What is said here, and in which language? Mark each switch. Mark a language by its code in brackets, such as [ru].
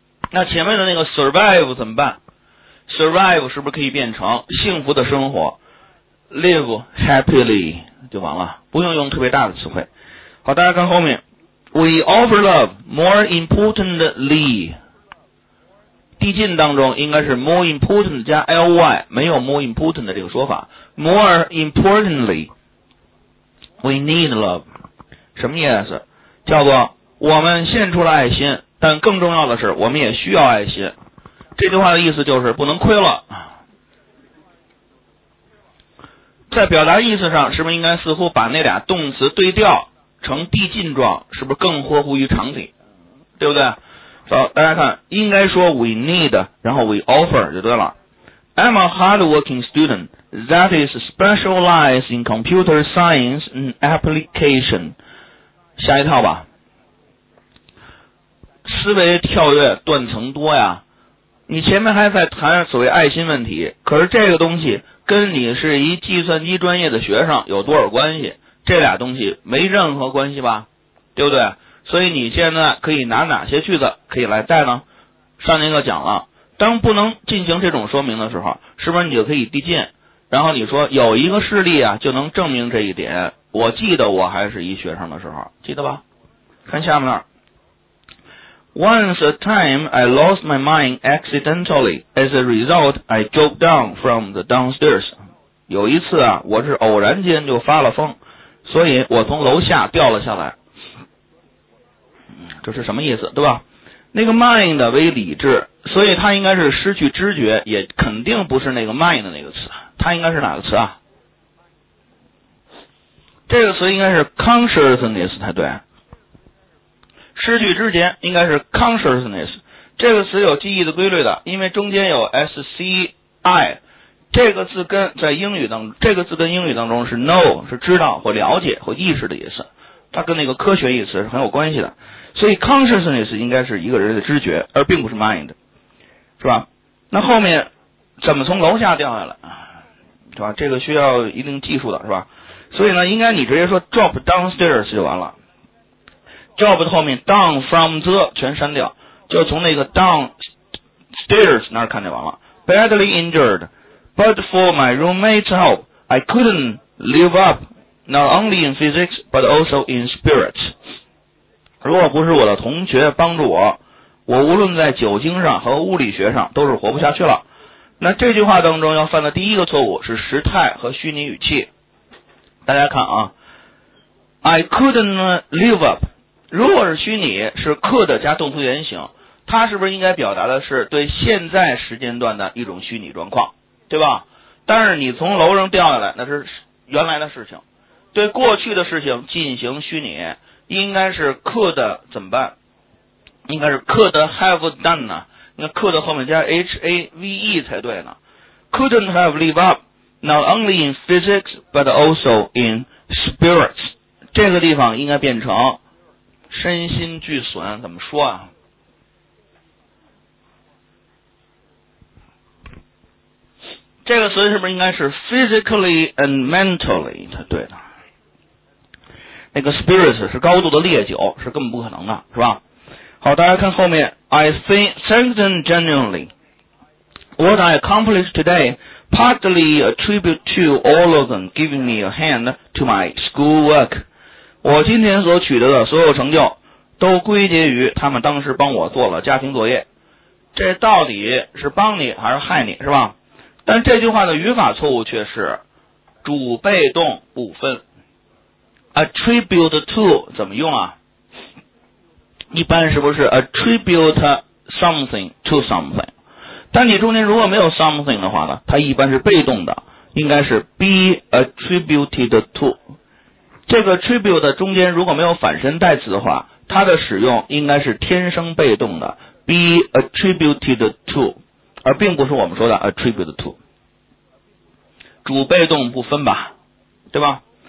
[zh] 那前面的那个 survive 怎么办？survive 是不是可以变成幸福的生活？ live happily 就完了，不用用特别大的词汇。好，大家看后面， [en] we offer love more importantly， [zh] 递进当中应该是 more important 加 ly， 没有 more important 的这个说法。 [en] more importantly we need love， [zh] 什么意思？叫做我们献出了爱心，但更重要的是我们也需要爱心。这句话的意思就是不能亏了。在表达意思上，是不是应该似乎把那俩动词对调成递进状，是不是更合乎于常理，对不对？好，大家看，应该说 we need 然后 we offer 就对了。 [en] I'm a hardworking student that is specialized in computer science and application， [zh] 下一套吧。思维跳跃断层多呀，你前面还在谈所谓爱心问题，可是这个东西跟你是一计算机专业的学生有多少关系？这俩东西没任何关系吧，对不对？所以你现在可以拿哪些句子可以来带呢？上节课讲了，当不能进行这种说明的时候，是不是你就可以递进，然后你说有一个事例啊就能证明这一点，我记得我还是一学生的时候，记得吧。 [en] 看下面那儿，Once a time, I lost my mind accidentally. As a result, I dropped down from the downstairs. [zh] 有一次啊，我是偶然间就发了疯，所以我从楼下掉了下来。这是什么意思，对吧？那个 mind 为理智，所以它应该是失去知觉，也肯定不是那个 mind 的那个词。它应该是哪个词啊？这个词应该是 consciousness 才对。失去之前应该是 consciousness， 这个词有记忆的规律的，因为中间有 SCI， 这个字根在英语当中，这个字根英语当中是 know， 是知道或了解或意识的意思，它跟那个科学意思是很有关系的，所以 consciousness 应该是一个人的知觉，而并不是 mind， 是吧？那后面怎么从楼下掉下来，是吧？这个需要一定技术的，是吧？所以呢，应该你直接说 drop downstairs 就完了。 drop 后面 down from the 全删掉，就从那个 downstairs 那儿看就完了。 [en] badly injured but for my roommate's help I couldn't live up not only in physics but also in spirit， [zh] 如果不是我的同学帮助我，我无论在酒精上和物理学上都是活不下去了。那这句话当中要犯的第一个错误是时态和虚拟语气，大家看啊， I couldn't live up，如果是虚拟是 could 加动词原形，它是不是应该表达的是对现在时间段的一种虚拟状况，对吧？但是你从楼上掉下来那是原来的事情，对过去的事情进行虚拟应该是 could 怎么办，应该是 could have done 呢？那 could 后面加 have 才对呢。 [en] couldn't have lived up not only in physics but also in spirits， [zh] 这个地方应该变成身心俱损，怎么说啊？这个词是不是应该是 physically and mentally 才对的？那个 spirits 是高度的烈酒，是根本不可能的，是吧？好，大家看后面， [en] I thank them genuinely. What I accomplished today partly attribute to all of them giving me a hand to my school work. [zh] 我今天所取得的所有成就都归结于他们当时帮我做了家庭作业。这到底是帮你还是害你，是吧？但这句话的语法错误却是主被动不分。 Attribute to 怎么用啊？一般是不是 attribute something to something？但你中间如果没有 something 的话呢，它一般是被动的，应该是 be attributed to。这个 attribute 中间如果没有反身代词的话，它的使用应该是天生被动的， be attributed to， 而并不是我们说的 attribute to， 主被动不分吧，对吧？